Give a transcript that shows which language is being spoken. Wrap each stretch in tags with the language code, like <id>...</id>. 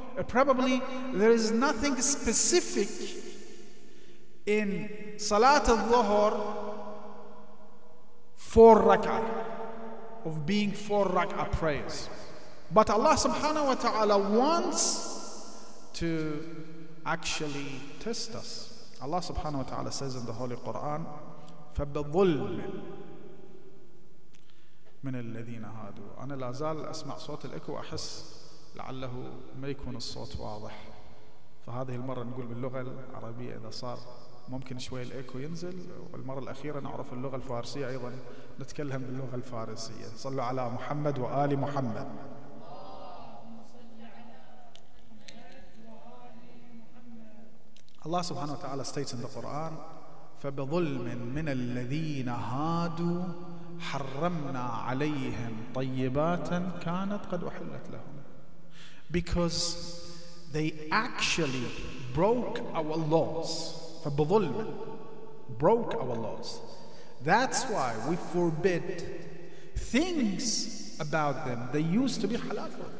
<en>Probably there is nothing specific in Salatul Dhuhr 4 rak'ah of being 4 rak'ah prayers. But Allah subhanahu wa ta'ala wants to actually test us. Allah subhanahu wa ta'ala says in the Holy Quran,</en> <ar>فَبَظُلْمٍ مِنَ الَّذِينَ هَادُوا. أنا لا زال أسمع صوت الإكو أحس لعله ما يكون الصوت واضح. فهذه المرة نقول باللغة العربية إذا صار ممكن شوي الإكو ينزل. والمرة الأخيرة نعرف اللغة الفارسية أيضا نتكلم باللغة الفارسية. صلوا على محمد وآل محمد. الله سبحانه وتعالى</ar> <en>states in the Quran,</en> <ar>فبظلم من الذين هادوا حرمنا عليهم طيبات كانت قد أحلت لهم.</ar> <en>Because they actually broke our laws. فبظلم, broke our laws. That's why we forbid things about them. They used to be halal.</en>